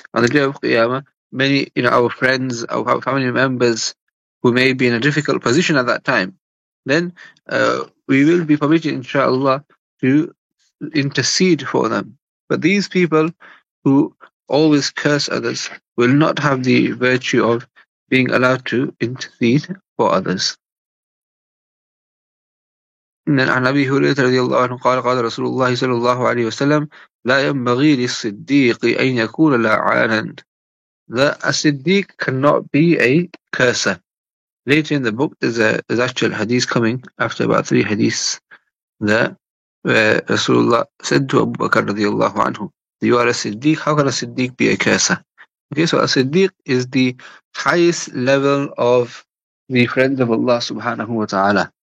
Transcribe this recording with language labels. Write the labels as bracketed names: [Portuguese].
[English] On the day of Qiyamah, many, you know, our friends, our family members, who may be in a difficult position at that time, then we will be permitted, inshallah, to intercede for them. But these people who always curse others will not have the virtue of being allowed to intercede for others. [Arabic] عن أبي هريرة رضي الله عنه قال قال رسول الله صلى الله عليه وسلم لا ينبغي للصديق أن يكون لعانا. [English] That a siddiq cannot be a curser. Later in the book, there's actual hadith coming after about three hadiths that Rasulullah said to Abu Bakr radiallahu anhu, you are a siddiq, how can a siddiq be a curser? Okay, so a siddiq is the highest level of the friends of Allah subhanahu wa ta'ala.